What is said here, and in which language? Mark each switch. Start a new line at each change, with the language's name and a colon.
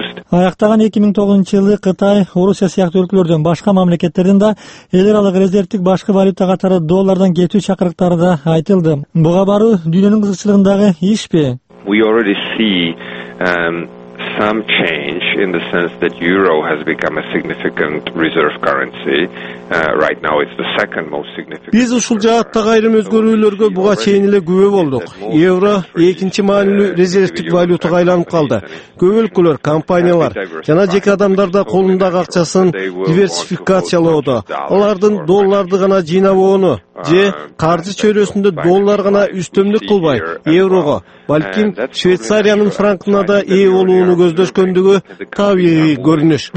Kyrgyz: Аяктаган 2009-жылы Кытай, Орусия сыяктуу өлкөлөрдөн башка мамлекеттерден да эл аралык резервдик башкы валюта катары доллардан кетүү чакырыктары да айтылды. Буга баруу дүйнөнүн кызыкчылыгындагы ишпи?
English: We already see some change in the sense that euro has become a significant reserve currency. Right now it's the second most significant.
Kyrgyz: Биз ушул жааттагы айрым өзгөрүүлөргө буга чейин эле күбө болдук. Евро экинчи маанилүү резервдик валютага айланып калды. Көп өлкөлөр, компаниялар жана жеке адамдар да колундагы акчасын диверсификациялоодо. Алардын долларды гана жыйнабоону же каржы чөйрөсүндө доллар гана үстөмдүк кылбай, еврого, балким Швейцариянын франкына да ээ болууну көздөшкөндүгү табигый көрүнүш.